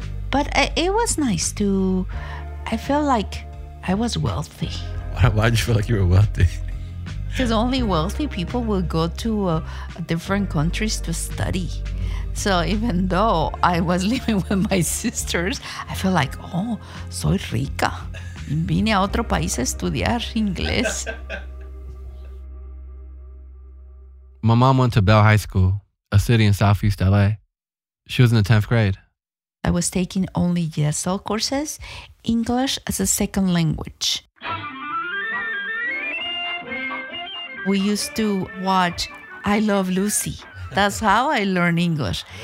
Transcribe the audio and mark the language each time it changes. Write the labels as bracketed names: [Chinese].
[English] But it was nice to, I feel like I was wealthy. Why did you feel like you were wealthy? Because only wealthy people will go to different countries to study. So even though I was living with my sisters, I felt like, oh, [Spanish] soy rica. Vine a otro país a estudiar inglés. [English] My mom went to Bell High School, a city in Southeast LA. She was in the 10th grade. I was taking only ESL courses, English as a second language. We used to watch I Love Lucy. That's how I learned English.